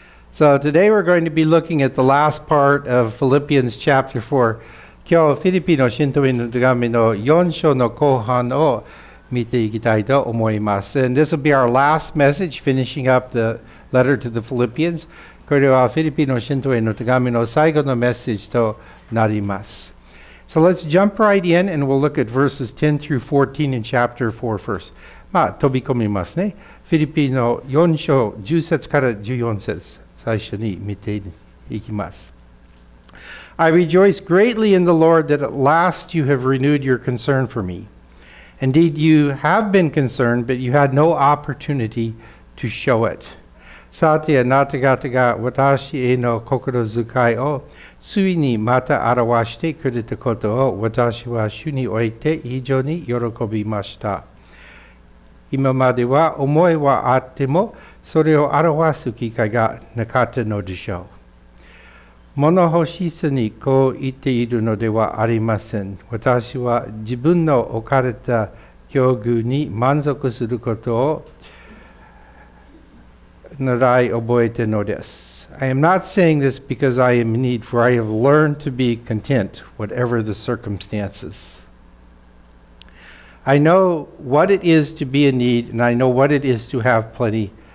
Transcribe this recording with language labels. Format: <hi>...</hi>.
<en>So today we're going to be looking at the last part of Philippians chapter 4.</en> <ja>今日はフィリピの信徒への手紙の4章の後半を見ていきたいと思います。</ja> <en>And this will be our last message finishing up the letter to the Philippians.</en> <ja>これはフィリピの信徒への手紙の最後のメッセージとなります。</ja> <en>So let's jump right in and we'll look at verses 10 through 14 in chapter 4 first.</en> <ja>まあ飛び込みますね。フィリピの4章10節から14節。最初に見ていきます。</ja> <en>I rejoice greatly in the Lord that at last you have renewed your concern for me. Indeed, you have been concerned, but you had no opportunity to show it.</en> <ja>さて、あなた方が私への心遣いをついにまた表してくれたことを私は主において非常に喜びました。今までは思いはあっても、それを表す機会がなかったのでしょう。物欲しさにこう言っているのではありません。私は自分の置かれた境遇に満足することを習い覚えてのです。</ja> <en>I am not saying this because I am in need, for I have learned to be content, whatever the circumstances. I know what it is to be in need, and I know what it is to have plenty.</en>